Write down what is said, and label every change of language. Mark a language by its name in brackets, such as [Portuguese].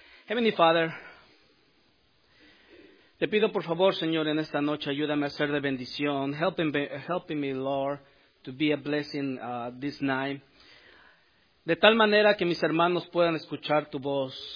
[English] Heavenly Father, [Spanish] te pido por favor, Señor, en esta noche, ayúdame a ser de bendición. [English] Helping me, Lord, to be a blessing this night. [Spanish] De tal manera que mis hermanos puedan escuchar tu voz.